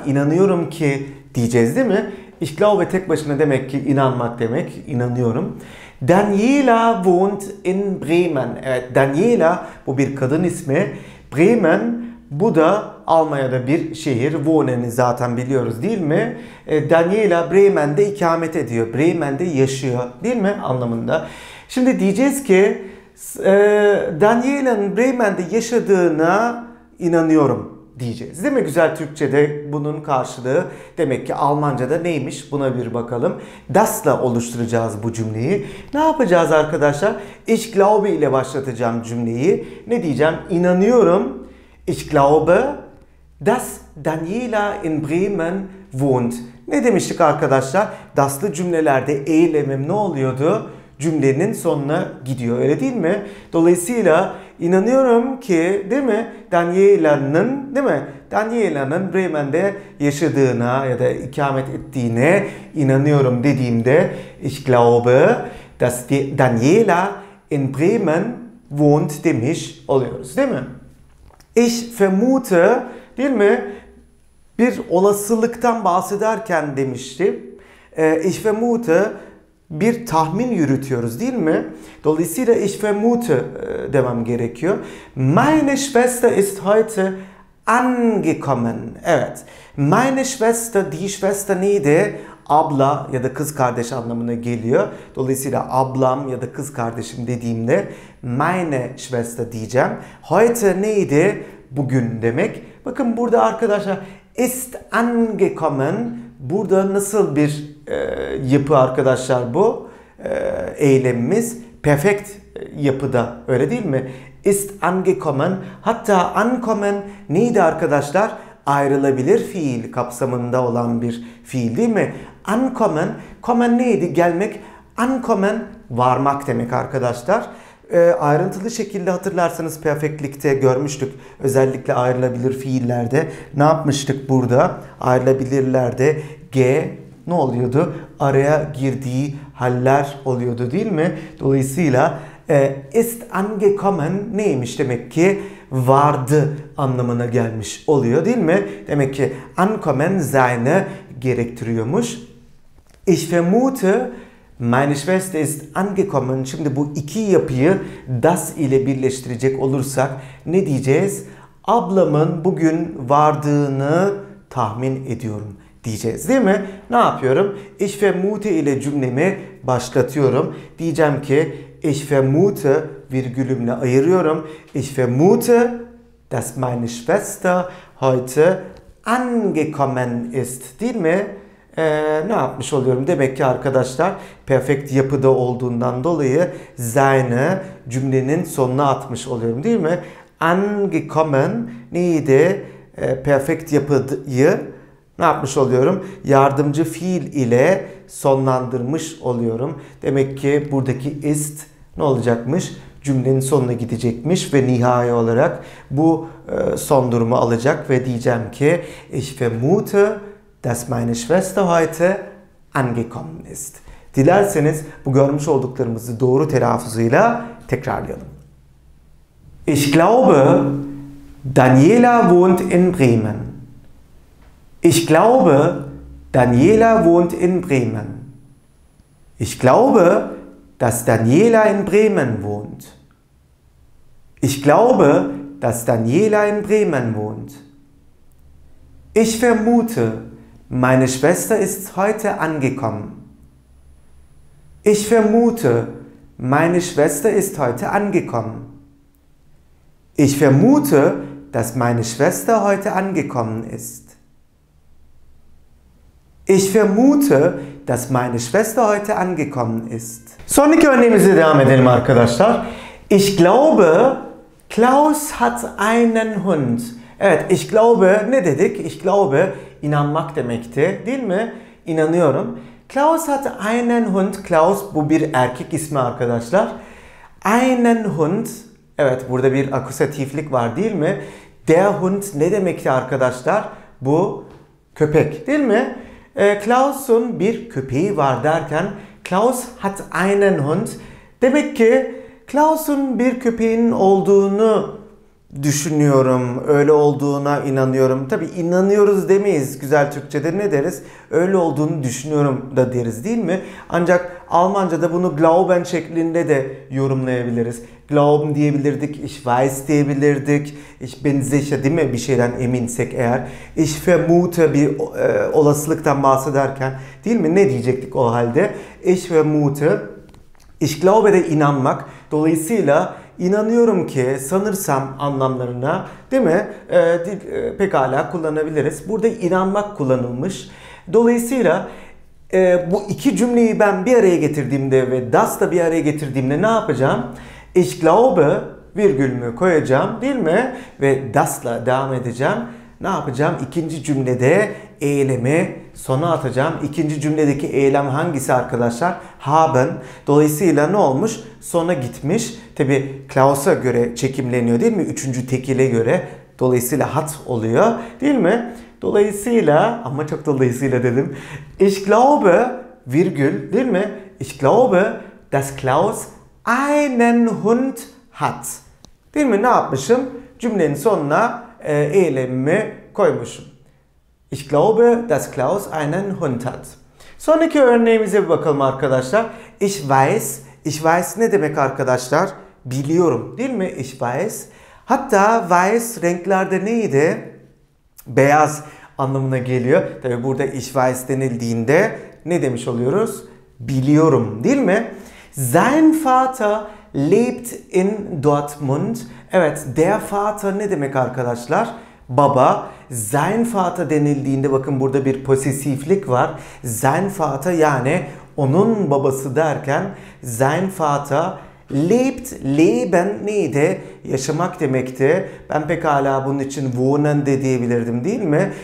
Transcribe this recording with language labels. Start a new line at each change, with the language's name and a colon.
Turkish: İnanıyorum ki diyeceğiz değil mi?
German: Ich glaube
Turkish: tek başına demek ki inanmak demek, inanıyorum.
German: Daniela wohnt in Bremen.
Turkish: Evet, Daniela bu bir kadın ismi. Bremen bu da Almanya'da bir şehir. Wohnen'i zaten biliyoruz değil mi? Daniela Bremen'de ikamet ediyor. Bremen'de yaşıyor değil mi anlamında? Şimdi diyeceğiz ki Daniela'nın Bremen'de yaşadığına inanıyorum diyeceğiz. Değil mi güzel Türkçe'de bunun karşılığı? Demek ki Almanca'da neymiş? Buna bir bakalım. Das'la oluşturacağız bu cümleyi. Ne yapacağız arkadaşlar?
German: Ich glaube
Turkish: ile başlatacağım cümleyi. Ne diyeceğim? İnanıyorum.
German: Ich glaube, dass Daniela in Bremen wohnt.
Turkish: Ne demiştik arkadaşlar? Das'lı cümlelerde eylemim ne oluyordu? Cümlenin sonuna gidiyor. Öyle değil mi? Dolayısıyla inanıyorum ki, değil mi? Daniela'nın, değil mi? Daniela'nın Bremen'de yaşadığına ya da ikamet ettiğine inanıyorum dediğimde
German: ich glaube, dass Daniela in Bremen wohnt
Turkish: demiş oluyoruz, değil mi?
German: Ich vermute,
Turkish: değil mi? Bir olasılıktan bahsederken demiştim.
German: Ich vermute,
Turkish: bir tahmin yürütüyoruz değil mi? Dolayısıyla
German: ich vermute
Turkish: demem gerekiyor.
German: Meine Schwester ist heute angekommen.
Turkish: Evet.
German: Meine Schwester, die Schwester
Turkish: neydi? Abla ya da kız kardeş anlamına geliyor. Dolayısıyla ablam ya da kız kardeşim dediğimde
German: meine Schwester
Turkish: diyeceğim. Heute neydi? Bugün demek. Bakın burada arkadaşlar
German: ist angekommen.
Turkish: Burada nasıl bir yapı arkadaşlar bu? Eylemimiz perfect yapıda öyle değil mi?
German: Ist angekommen.
Turkish: Hatta ankommen neydi arkadaşlar? Ayrılabilir fiil kapsamında olan bir fiil değil mi? Ankommen. Kommen neydi? Gelmek. Ankommen varmak demek arkadaşlar. Ayrıntılı şekilde hatırlarsanız perfectlikte görmüştük. Özellikle ayrılabilir fiillerde. Ne yapmıştık burada? Ayrılabilirlerde G ne oluyordu? Araya girdiği haller oluyordu değil mi? Dolayısıyla
German: ist angekommen
Turkish: neymiş demek ki? Vardı anlamına gelmiş oluyor değil mi? Demek ki ankommen seine gerektiriyormuş.
German: Ich vermute, meine Schwester ist angekommen.
Turkish: Şimdi bu iki yapıyı das ile birleştirecek olursak ne diyeceğiz? Ablamın bugün vardığını tahmin ediyorum diyeceğiz değil mi? Ne yapıyorum?
German: Ich vermute
Turkish: ile cümlemi başlatıyorum. Diyeceğim ki
German: ich vermute
Turkish: virgülümle ayırıyorum.
German: Ich vermute, dass meine Schwester heute angekommen ist.
Turkish: Değil mi? Ne yapmış oluyorum? Demek ki arkadaşlar perfect yapıda olduğundan dolayı seine cümlenin sonuna atmış oluyorum değil mi? Angekommen neydi? Perfect yapıyı ne yapmış oluyorum? Yardımcı fiil ile sonlandırmış oluyorum. Demek ki buradaki ist ne olacakmış? Cümlenin sonuna gidecekmiş ve nihai olarak bu son durumu alacak ve diyeceğim ki
German: ich vermute, dass meine Schwester heute angekommen ist.
Turkish: Dilerseniz bu görmüş olduklarımızı doğru telaffuzuyla tekrarlayalım.
German: Ich glaube, Daniela wohnt in Bremen. Ich glaube, Daniela wohnt in Bremen. Ich glaube, dass Daniela in Bremen wohnt. Ich glaube, dass Daniela in Bremen wohnt. Ich vermute, meine Schwester ist heute angekommen. Ich vermute, meine Schwester ist heute angekommen. Ich vermute, dass meine Schwester heute angekommen ist. Ich vermute, dass meine Schwester heute angekommen ist.
Turkish: Sonraki örneğimize devam edelim arkadaşlar.
German: Ich glaube, Klaus hat einen Hund.
Turkish: Evet,
German: ich glaube
Turkish: ne dedik?
German: Ich glaube
Turkish: inanmak demekti, değil mi? İnanıyorum.
German: Klaus hat einen Hund.
Turkish: Klaus bu bir erkek ismi arkadaşlar.
German: Einen Hund.
Turkish: Evet, burada bir akusatiflik var, değil mi?
German: Der Hund
Turkish: ne demekti arkadaşlar? Bu köpek, değil mi? Klaus'un bir köpeği var derken
German: Klaus hat einen Hund.
Turkish: Demek ki Klaus'un bir köpeğinin olduğunu düşünüyorum, öyle olduğuna inanıyorum. Tabii inanıyoruz demeyiz, güzel Türkçe'de ne deriz? Öyle olduğunu düşünüyorum da deriz, değil mi? Ancak Almanca'da bunu glauben şeklinde de yorumlayabiliriz.
German: Glauben
Turkish: diyebilirdik,
German: ich weiß diyebilirdik, ich bin sicher,
Turkish: değil mi? Bir şeyden eminsek eğer.
German: Ich vermute,
Turkish: bir olasılıktan bahsederken, değil mi? Ne diyecektik o halde?
German: Ich vermute, ich glaube
Turkish: de inanmak. Dolayısıyla İnanıyorum ki, sanırsam anlamlarına, değil mi? Pekala kullanabiliriz. Burada inanmak kullanılmış. Dolayısıyla bu iki cümleyi ben bir araya getirdiğimde ve das da bir araya getirdiğimde ne yapacağım?
German: Ich glaube
Turkish: virgülümü koyacağım, değil mi? Ve das'la devam edeceğim. Ne yapacağım? İkinci cümlede eylemi sona atacağım. İkinci cümledeki eylem hangisi arkadaşlar? Haben. Dolayısıyla ne olmuş? Sona gitmiş. Tabi Klaus'a göre çekimleniyor, değil mi? Üçüncü tekile göre. Dolayısıyla hat oluyor, değil mi? Dolayısıyla, ama çok dolayısıyla dedim.
German: Ich glaube,
Turkish: virgül, değil mi?
German: Ich glaube, dass Klaus einen Hund hat.
Turkish: Değil mi? Ne yapmışım? Cümlenin sonuna eylemimi koymuşum.
German: Ich glaube, dass Klaus einen Hund hat.
Turkish: Sonraki örneğimize bir bakalım arkadaşlar.
German: Ich weiß. Ich weiß
Turkish: ne demek arkadaşlar? Biliyorum, değil mi?
German: Ich weiß.
Turkish: Hatta weiß renklerde neydi? Beyaz anlamına geliyor. Tabii burada
German: ich weiß
Turkish: denildiğinde ne demiş oluyoruz? Biliyorum, değil mi?
German: Sein Vater lebt in Dortmund.
Turkish: Evet,
German: der Vater
Turkish: ne demek arkadaşlar? Baba.
German: Sein Vater
Turkish: denildiğinde bakın burada bir posesiflik var.
German: Sein Vater
Turkish: yani onun babası derken
German: Sein Vater lebt,
Turkish: leben neydi? Yaşamak demekti. Ben pekala bunun için wohnen de diyebilirdim, değil mi?